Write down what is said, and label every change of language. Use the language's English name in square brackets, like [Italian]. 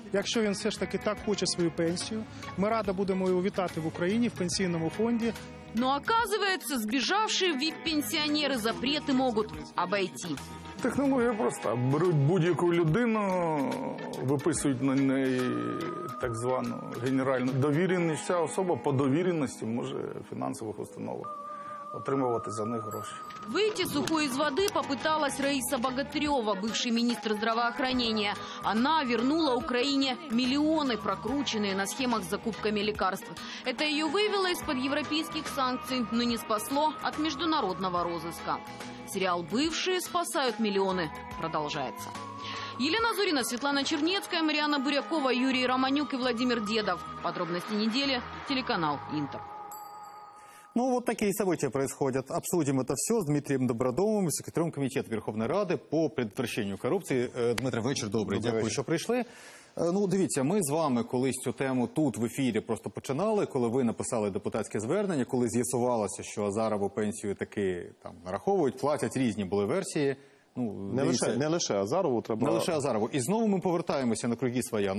[Ukrainian] Якщо він все ж таки так хоче свою [Russian] пенсию, [Ukrainian] ми рада будемо його вітати в Україні в пенсійному фонді. [Russian] Но оказывается, сбежавшие [Ukrainian] ВІП-пенсіонери [Russian] запрети могут обойти. [Ukrainian] Технологія проста. Беруть будь-яку людину, виписують на неї так звану генеральну довіреність. Ця особа по довіреності може фінансових установах отримувати за них гроші. Вийти [Russian] сухой из воды попыталась Раиса Богатырева, бывший министр здравоохранения. Она вернула Украине миллионы, прокрученные на схемах с закупками лекарств. Это ее вывело из-под европейских санкций, но не спасло от международного розыска. Сериал «Бывшие спасают миллионы» продолжается. Елена Зурина, Светлана Чернецкая, Марьяна Бурякова, Юрий Романюк и Владимир Дедов. Подробности недели, телеканал Интер. Ну, вот такие события происходят. Обсудим это все с Дмитрием Добродомовым, секретарем Комитета Верховной Рады по предотвращению коррупции. Дмитрий, вечер добрый. [Ukrainian] Дякую, що прийшли. Ну, дивіться, ми з вами колись цю тему тут в ефірі просто починали, коли ви написали депутатське звернення, коли з'ясувалося, що Азарову пенсію таки там нараховують, платять, різні були версії. Ну, не лише Азарову треба... Не лише Азарову. І знову ми повертаємося на круги своя.